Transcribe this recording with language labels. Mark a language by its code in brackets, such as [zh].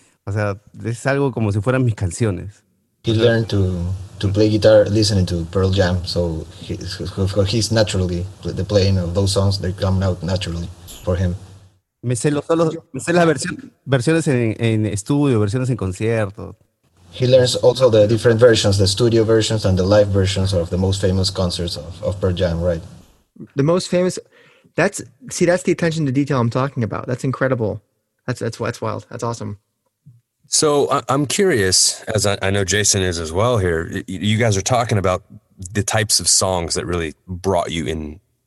[es] O sea, es algo como si fueran mis canciones. [en] He learned to play guitar listening to Pearl Jam. So he's naturally, the playing of those songs, they come out naturally for him. [es] Me sé los solos, me sé las versiones en estudio, versiones en concierto. [en] He learns also the different versions, the studio versions and the live versions of the most famous concerts of Pearl Jam, right? The most famous, that's the attention to detail I'm talking about. That's incredible. That's wild. That's awesome. So I'm curious, as I know Jason is as well here, you guys are talking about the types of songs that really brought you in